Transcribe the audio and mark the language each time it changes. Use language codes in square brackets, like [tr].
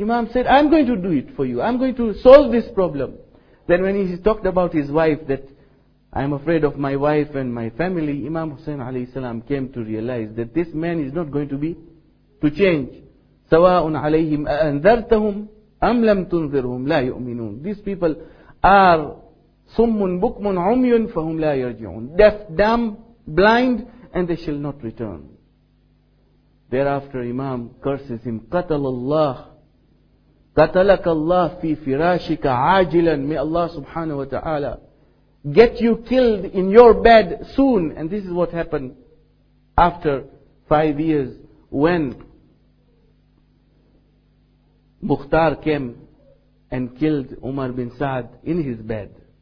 [en] Imam said, I'm going to do it for you. I'm going to solve this problem. Then when he talked about his wife, that I'm afraid of my wife and my family, Imam Hussein alayhi salam came to realize that this man is not going to be to change. [ar] سَوَاءٌ عَلَيْهِمْ أَأَنذَرْتَهُمْ أَمْ لَمْ تُنذِرْهُمْ لَا يُؤْمِنُونَ. [en] These people are [ar] صُمٌّ بُكْمٌ عُمْيٌ فَهُمْ لَا يَرْجِعُونَ. [en] Deaf, dumb, blind, and they shall not return. Thereafter Imam curses him, [ar] قَتَلَ اللَّهُ قَتَلَكَ اللَّهُ فِي فِرَاشِكَ عَاجِلًا. [en] May Allah subhanahu wa ta'ala get you killed in your bed soon. And this is what happened after 5 years, when Mukhtar came and killed Umar bin Sa'd in his bed.